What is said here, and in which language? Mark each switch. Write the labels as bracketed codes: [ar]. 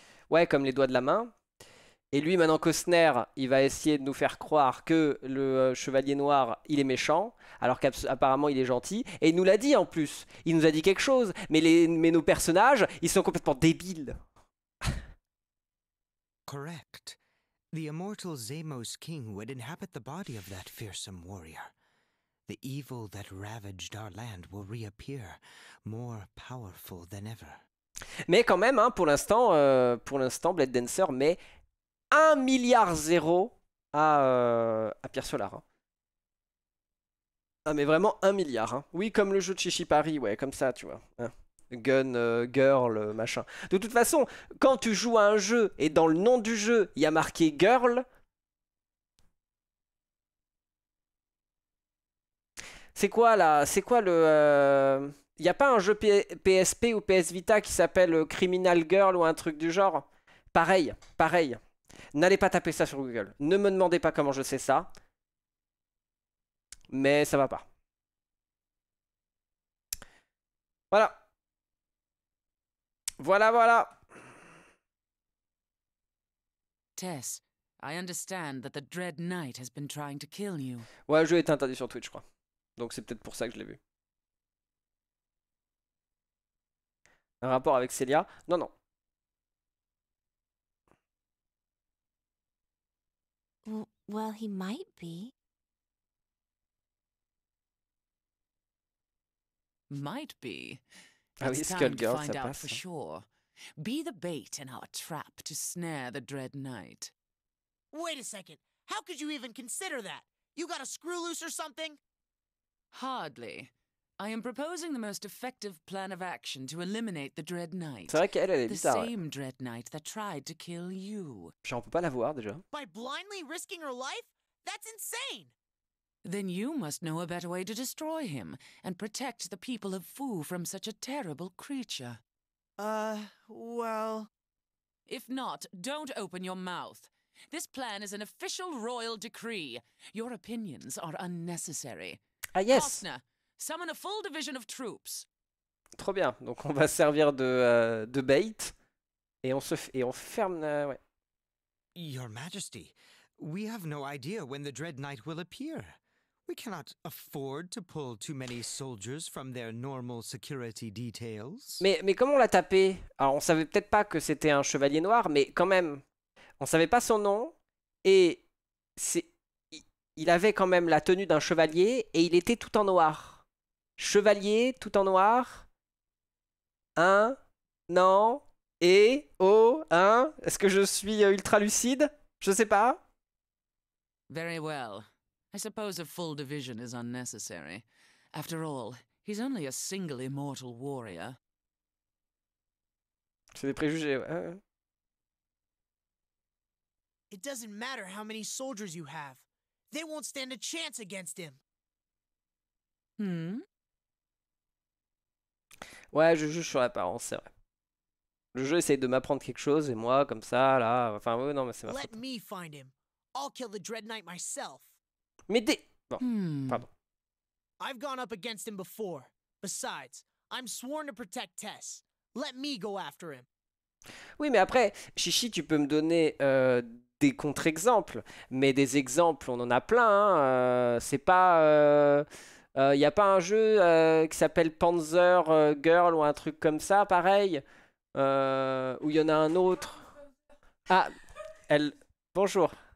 [fr] Ouais, comme les doigts de la main. Et lui, maintenant Costner, il va essayer de nous faire croire que le Chevalier Noir, il est méchant, alors qu'apparemment il est gentil. Et il nous l'a dit en plus, il nous a dit quelque chose, mais nos personnages, ils sont complètement débiles. [en] Correct. The immortal Zamos King would inhabit the body of that fearsome warrior. The evil that ravaged our land will reappear, more powerful than ever. [fr] Mais quand même, hein, pour l'instant, Blade Dancer met 1 milliard zéro à Pierre Solar. Hein. Ah, mais vraiment 1 milliard. Hein. Oui, comme le jeu de Chichi Paris, ouais, comme ça, tu vois. Hein. Gun, girl, machin. De toute façon, quand tu joues à un jeu et dans le nom du jeu, il y a marqué girl... C'est quoi là? C'est quoi le... Y a pas un jeu PSP ou PS Vita qui s'appelle Criminal Girl ou un truc du genre? Pareil, pareil. N'allez pas taper ça sur Google. Ne me demandez pas comment je sais ça. Mais ça va pas. Voilà. Voilà, voilà. [en] Tess, I understand that the Dread Knight has been trying to kill you. [fr] Ouais, le jeu est interdit sur Twitch, je crois. Donc c'est peut-être pour ça que je l'ai vu. Un rapport avec Celia? Non, non. [en] Well, he might be. Might be. [fr] Ah oui, Skull Girl, ça passe. [en] For sure. Be the bait in our trap to snare the Dread Knight. Wait a second. How could you even consider that? You got a screw loose or something? Hardly. I am proposing the most effective plan of action to eliminate the Dread Knight. [fr] C'est vrai qu'elle, elle est bizarre. [en] The same Dread Knight that tried to kill you. [fr] Puis on peut pas la voir déjà. [en] By blindly risking her life? That's insane! Then you must know a better way to destroy him and protect the people of Fu from such a terrible creature. Well... If not, don't open your mouth. This plan is an official royal decree. Your opinions are unnecessary. Ah, yes! Hoffner, summon a full division of troops. [fr] Trop bien. Donc on va servir de bait. Et on ferme... ouais. [en] Your Majesty, we have no idea when the Dread Knight will appear. We cannot afford to pull too many soldiers from their normal security details. [fr] Mais comment on l'a tapé? Alors on savait peut-être pas que c'était un chevalier noir, mais quand même, on savait pas son nom, et il avait quand même la tenue d'un chevalier, et il était tout en noir. Chevalier, tout en noir, un, non, et, oh, un, est-ce que je suis ultra lucide? Je sais pas. [en] Very well. I suppose a full division is unnecessary. After all, he's only a single immortal warrior. [fr] C'est des préjugés. [en] It doesn't matter how many soldiers you have. They won't stand a chance against him. Hmm? [fr] Ouais, je juge sur l'apparence, c'est vrai. Le jeu essaye de m'apprendre quelque chose et moi, comme ça, là, enfin, oui, non, mais c'est ma [en] Let me find him. I'll kill the Dread Knight myself. [fr] Mais des... Bon, pardon. [en] I've gone up against him before. Besides, I'm sworn to protect Tess. Let me go after him. [fr] Oui, mais après, Chichi, tu peux me donner des contre-exemples. Mais des exemples, on en a plein. Hein. C'est pas... y a pas un jeu qui s'appelle Panzer Girl ou un truc comme ça, pareil. Ou il y en a un autre. Ah, elle... Bonjour.